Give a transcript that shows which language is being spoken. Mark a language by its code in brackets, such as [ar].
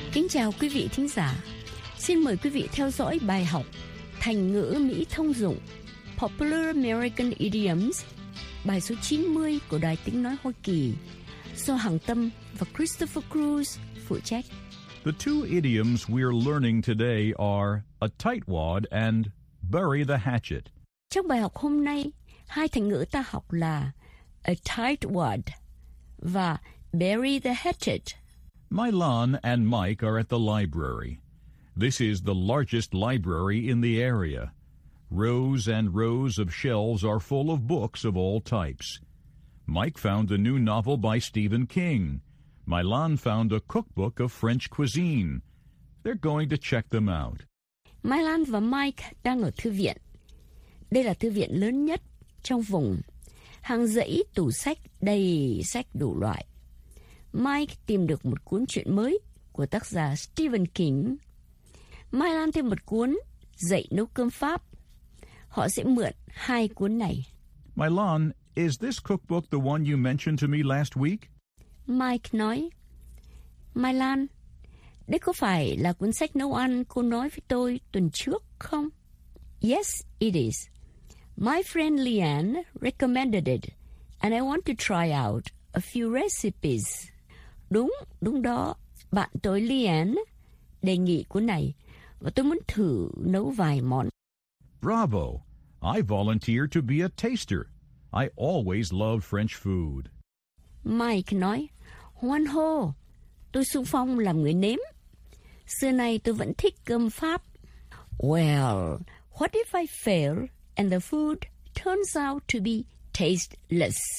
[vi] Chào quý vị thính giả, xin mời quý vị theo dõi bài học Thành ngữ Mỹ thông dụng [en] Popular American Idioms, [vi] bài số 90 của Đài Tiếng Nói Hoa Kỳ, do Hằng Tâm và Christopher Cruz phụ trách. [en] The two idioms we are learning today are a tightwad and bury the hatchet. [vi] Trong bài học hôm nay, hai thành ngữ ta học là [en] a tight wad [vi] và [en] bury the hatchet. Mylon and Mike are at the library. This is the largest library in the area. Rows and rows of shelves are full of books of all types. Mike found a new novel by Stephen King. Mylon found a cookbook of French cuisine. They're going to check them out. [vi] Mylon và Mike đang ở thư viện. Đây là thư viện lớn nhất trong vùng. Hàng dãy tủ sách đầy sách đủ loại. Mike tìm được một cuốn truyện mới của tác giả Stephen King. Mylon thêm một cuốn dạy nấu cơm Pháp. Họ sẽ mượn hai cuốn này. [en] Mylon, is this cookbook the one you mentioned to me last week? [vi] Mike nói, Mylon, đây có phải là cuốn sách nấu ăn cô nói với tôi tuần trước không? [en] Yes, it is. My friend Leanne recommended it, and I want to try out a few recipes. [vi] Đúng, đúng đó. Bạn tôi Leanne đề nghị cuốn này, và tôi muốn thử nấu vài món. [en] Bravo! I volunteer to be a taster. I always love French food. [vi] Mike nói, hoan hô, tôi xung phong làm người nếm. Xưa nay tôi vẫn thích cơm Pháp. [en] Well, what if I fail and the food turns out to be tasteless?